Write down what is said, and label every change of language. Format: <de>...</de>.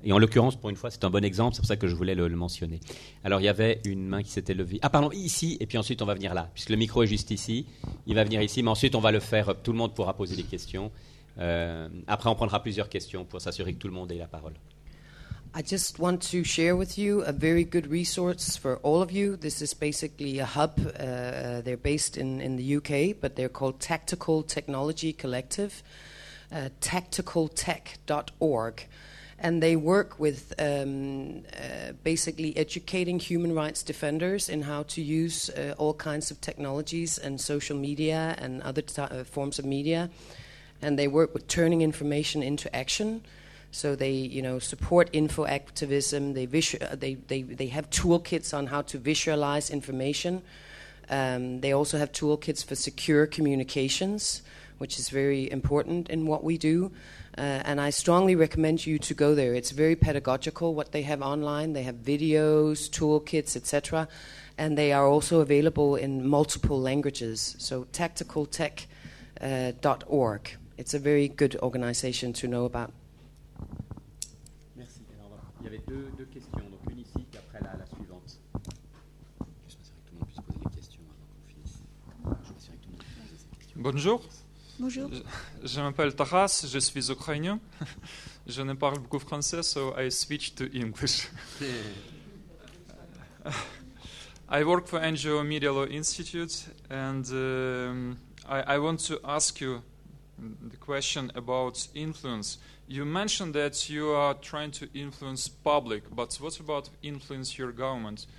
<fr>Et en l'occurrence, pour une fois, c'est un bon exemple, c'est pour ça que je voulais le mentionner. Alors, il y avait une main qui s'était levée. Ah, pardon, ici, et puis ensuite, on va venir là, puisque le micro est juste ici. Il va venir ici, mais ensuite, on va le faire. Tout le monde pourra poser des questions. Après, on prendra plusieurs questions pour s'assurer que tout le monde ait la parole.</fr> <en>I just want to share with you a very good resource for all of you. This is basically a hub. They're based in the UK, but they're called Tactical Technology Collective, tacticaltech.org. And they work with basically educating human rights defenders in how to use all kinds of technologies and social media and other forms of media. And they work with turning information into action. So they, you know, support info activism. They have toolkits on how to visualize information. They also have toolkits for secure communications, which is very important in what we do. And I strongly recommend you to go there. It's very pedagogical what they have online. They have videos, toolkits, etc. And they are also available in multiple languages. So tacticaltech.org. It's a very good organization to know about.</en> <fr>Il y avait deux questions, donc une ici, puis après la suivante. Je suis pas sûr que tout le monde puisse poser des questions avant qu'on finisse. Je suis pas sûr que tout le monde puisse poser des questions. Bonjour. Bonjour. Je m'appelle Taras, je suis ukrainien. Je ne parle beaucoup français,</fr> <en>so I switch to English. I work for NGO Media Law Institute, and I want to ask you the question about influence. You mentioned that you are trying to influence public, but what about influence your government?</en>